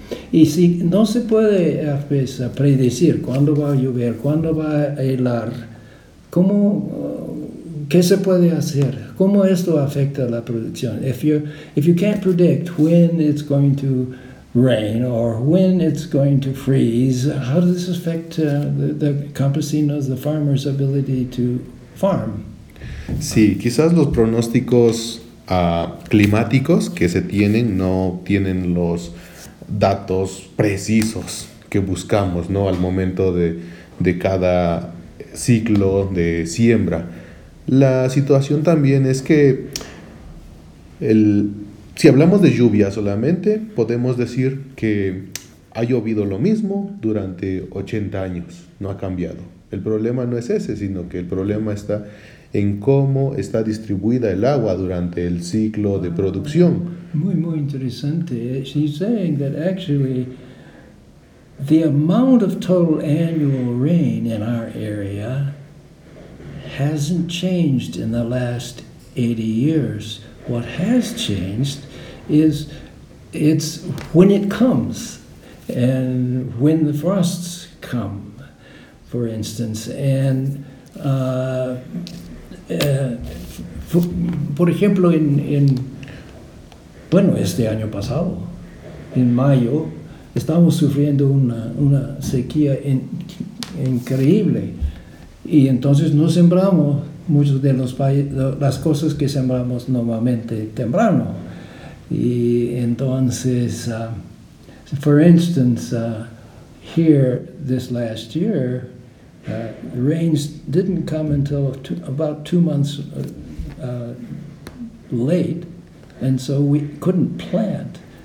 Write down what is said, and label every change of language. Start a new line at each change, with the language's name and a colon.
Spanish: Y si no se puede predecir cuándo va a llover, cuándo va a helar, ¿cómo, qué se puede hacer? ¿Cómo esto afecta la producción?
English: If you can't predict when it's going to rain or when it's going to freeze, how does this affect the campesinos, the farmers' ability to farm?
Spanish: Sí, quizás los pronósticos climáticos que se tienen no tienen los datos precisos que buscamos, ¿no? Al momento de cada ciclo de siembra. La situación también es que si hablamos de lluvia solamente, podemos decir que ha llovido lo mismo durante 80 años, no ha cambiado. El problema no es ese, sino que el problema está en cómo está distribuida el agua durante el ciclo de producción. Muy, muy interesante.
English: She's saying that actually the amount of total annual rain in our area hasn't changed in the last 80 years. What has changed is it's when it comes and when the frosts come, for instance.
Spanish: And por ejemplo, este año pasado, en mayo, estamos sufriendo una sequía increíble. Y entonces no sembramos muchas de las cosas que sembramos normalmente temprano. Y entonces,
English: for instance, here this last year, the rains didn't come until about 2 months late, and so we couldn't plant.